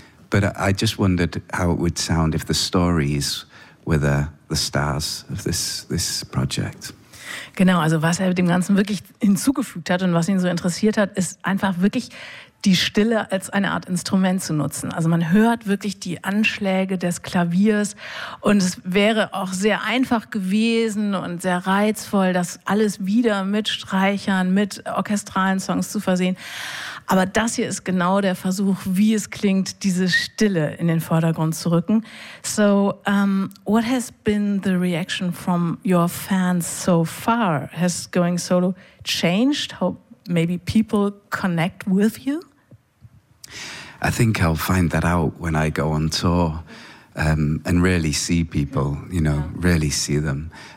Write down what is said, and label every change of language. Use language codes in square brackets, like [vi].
[en] But I just wondered how it would sound if the stories were the stars of this project. [de] Genau, also was er dem Ganzen wirklich hinzugefügt hat und was ihn so interessiert hat, ist einfach wirklich die Stille als eine Art Instrument zu nutzen. Also man hört wirklich die Anschläge des Klaviers und es wäre auch sehr einfach gewesen und sehr reizvoll, das alles wieder mit Streichern, mit orchestralen Songs zu versehen. Aber das hier ist genau der Versuch, wie es klingt, diese Stille in den Vordergrund zu rücken. [en] So, what has been the reaction from your fans so far? Has going solo changed how maybe people connect with you? I think I'll find that out when I go on tour and really see people, you know, yeah. Really see them.